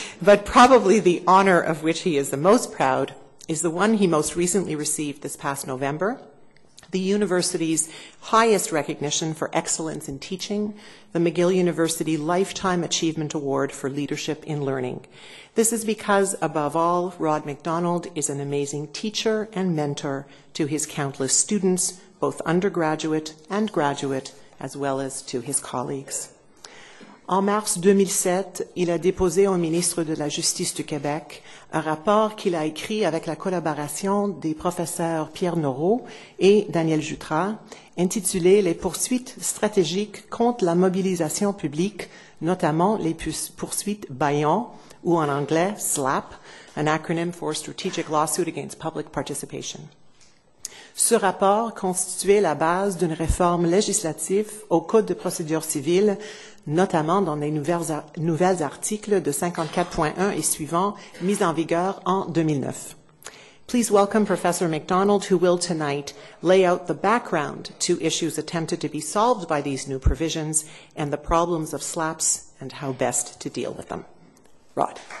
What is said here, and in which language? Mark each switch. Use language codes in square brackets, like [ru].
[en] But probably the honor of which he is the most proud is the one he most recently received this past November, the university's highest recognition for excellence in teaching, the McGill University Lifetime Achievement Award for Leadership in Learning. This is because, above all, Rod MacDonald is an amazing teacher and mentor to his countless students, both undergraduate and graduate, as well as to his colleagues. [fr] En mars 2007, il a déposé au ministre de la Justice du Québec un rapport qu'il a écrit avec la collaboration des professeurs Pierre Noreau et Daniel Jutras, intitulé « Les poursuites stratégiques contre la mobilisation publique, notamment les poursuites Bayon, ou en anglais SLAP, [en] an acronym for Strategic Lawsuit Against Public Participation ». [fr] Ce rapport constituait la base d'une réforme législative au Code de procédure civile, notamment dans les nouvelles articles de 54.1 et suivants, mis en vigueur en 2009. [en] Please welcome Professor MacDonald, who will tonight lay out the background to issues attempted to be solved by these new provisions and the problems of SLAPs and how best to deal with them. Rod.